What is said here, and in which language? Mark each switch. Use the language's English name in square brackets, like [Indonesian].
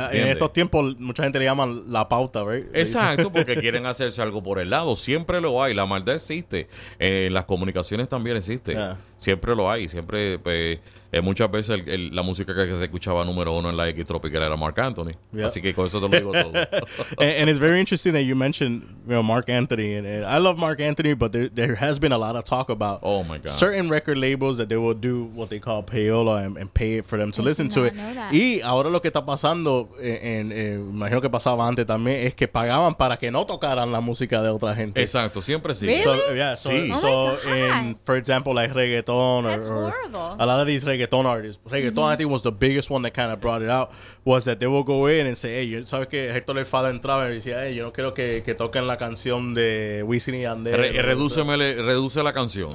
[Spanish] En estos tiempos mucha gente le llama la pauta, ¿verdad? Exacto, porque quieren hacerse algo por el lado. Siempre lo hay. La maldad existe. En las comunicaciones también existe. [English] Yeah. [Spanish] Siempre lo hay. Siempre, pues, muchas veces la música que se escuchaba número uno en la X Tropical era Mark Anthony. [English] Yeah. [Spanish] Así que con eso te lo digo todo. [English] And it's very interesting that you mentioned, you know, Mark Anthony, and I love Mark Anthony, but there has been a lot of talk about, oh my God, certain record labels that they will do what they call payola and pay it for them to I listen to it. [Spanish] Y ahora lo que está pasando, imagino que pasaba antes también, es que pagaban para que no tocaran la música de otra gente. Exacto, siempre sí. [English] Really? So, yeah, so, [Spanish] sí. [English] So, oh, in, for example, like reggaeton, or a lot of these reggaeton artists, reggaeton, I think was the biggest one that kind of brought it out, was that they will go in and say, hey, you know, [Spanish] sabes que Héctor Le Fada entraba y decía, yo no quiero que toquen la canción de Wisin y Yandel. Reduce la canción.